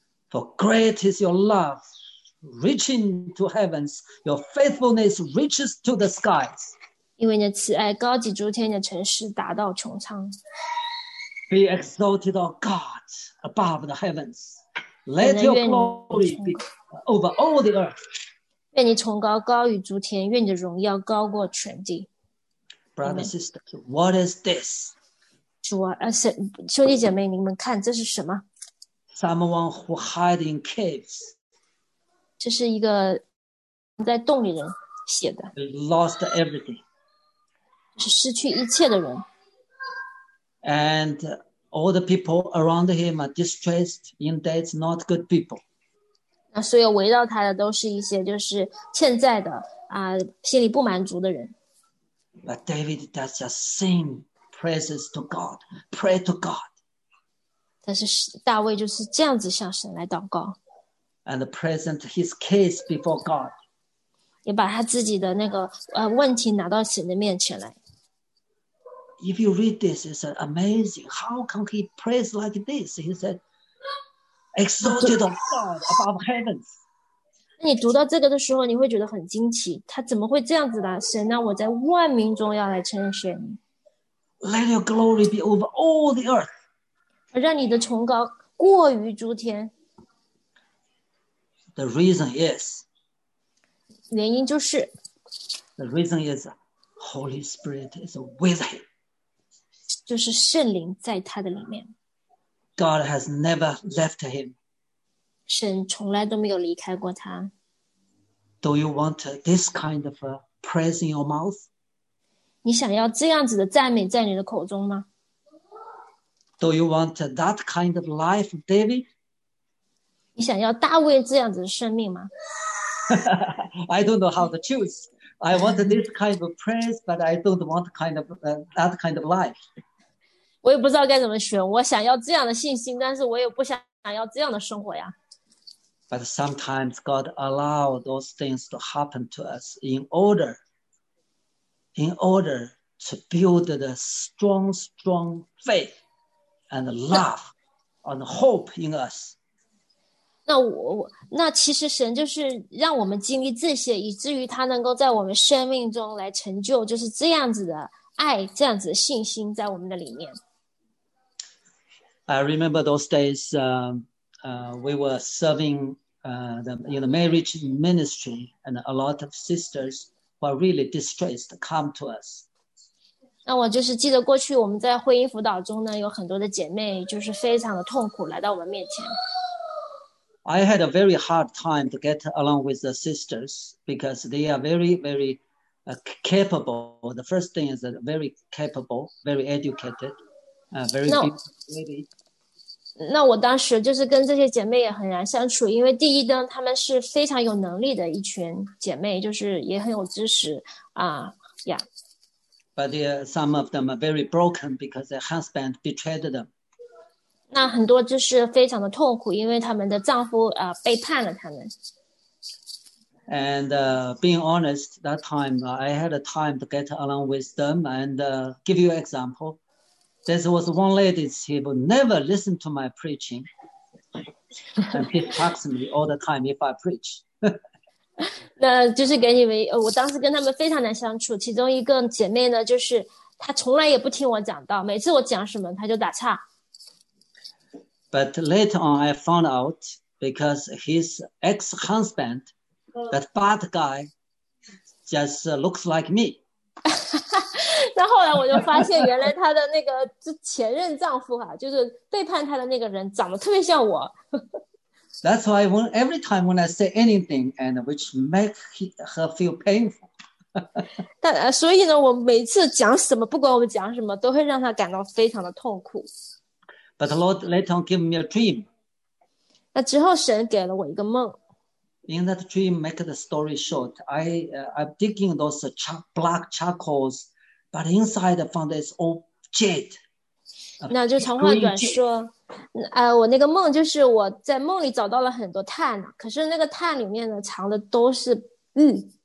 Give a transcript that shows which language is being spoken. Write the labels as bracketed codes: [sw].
[en] For great is your love. Reaching to heavens, your faithfulness reaches to the skies. [zh] 因为你的慈爱高及诸天，你的诚实达到穹苍。 [en] Be exalted, O God, above the heavens. Let your glory be over all the earth. [zh] 愿你崇高高于诸天，愿你的荣耀高过全地。 [en] Brother, sister, what is this? [zh] 主啊，兄弟姐妹，你们看这是什么？ [en] Someone who hide in caves. [zh] 这是一个在洞里人写的。 [en] Lost everything. [zh] 是失去一切的人。 [en] And all the people around him are distressed, in debt, not good people. [zh] 那所有围绕他的都是一些就是欠债的啊，心里不满足的人。 [en] But David does the same praises to God, pray to God. [zh] 但是大卫就是这样子向神来祷告。 [en] And present his case before God. [zh] 也把他自己的那个问题拿到神的面前来。 [en] If you read this, it's amazing. How can he praise like this? He said, "Exalted of God above heavens." [zh] 那你读到这个的时候，你会觉得很惊奇。他怎么会这样子的？神啊，我在万民中要来称谢你。 [en] Let your glory be over all the earth. [zh] 让你的崇高过于诸天。 [en] The reason is, [zh] 原因就是 [en] the reason is, Holy Spirit is with him. [zh] 就是圣灵在他的里面。 [en] God has never left him. [zh] 神从来都没有离开过他。 [en] Do you want this kind of praise in your mouth? [zh] 你想要这样子的赞美在你的口中吗？ [en] Do you want that kind of life, David? [zh] 你想要大卫这样子的生命吗？ [en] I don't know how to choose. I want this kind of praise, but I don't want kind of, that kind of life. [zh] 我也不知道该怎么选，我想要这样的信心，但是我也不想要这样的生活呀。 [en] But sometimes God allows those things to happen to us in order to build the strong, strong faith and love and hope in us. [zh] 那其实神就是让我们经历这些，以至于他能够在我们生命中来成就，就是这样子的爱，这样子的信心在我们的里面。 [en] I remember those days, we were servingthe marriage ministry, and a lot of sisters who are really distressed come to us. [zh] 那我就是记得过去我们在婚姻辅导中呢，有很多的姐妹就是非常的痛苦来到我们面前。 [en] I had a very hard time to get along with the sisters because they are very, very, capable. The first thing is that very capable, very educated, very beautiful lady. [zh] 那我当时就是跟这些姐妹也很难相处，因为第一呢，她们是非常有能力的一群姐妹，就是也很有知识啊呀。 [en] But some of them are very broken because their husband betrayed them. [zh] 那很多就是非常的痛苦，因为他们的丈夫背叛了他们。 [en] And being honest, that time I had a time to get along with them and give you an example. There was one lady who would never listen to my preaching. And he talks to me all the time if I preach. [zh] 那就是给你们，我当时跟他们非常难相处。其中一个姐妹呢，就是她从来也不听我讲道，每次我讲什么她就打岔。 [en] But later on, I found out because his ex-husband, that bad guy, just looks like me. [zh] 那后来我就发现，原来他的那个前任丈夫啊，就是背叛他的那个人，长得特别像我。 [en] That's why when every time when I say anything and which make her feel painful. [zh] 但所以呢，我每次讲什么，不管我们讲什么，都会让他感到非常的痛苦。 [en] But the Lord later on gave me a dream. [zh] 那之后神给了我一个梦。 [en] In that dream, make the story short. I'm digging those black charcoals. But inside, I found this old jade. [zh] 那就长话短说，我那个梦就是我在梦里找到了很多碳，可是那个碳里面呢，藏的都是玉。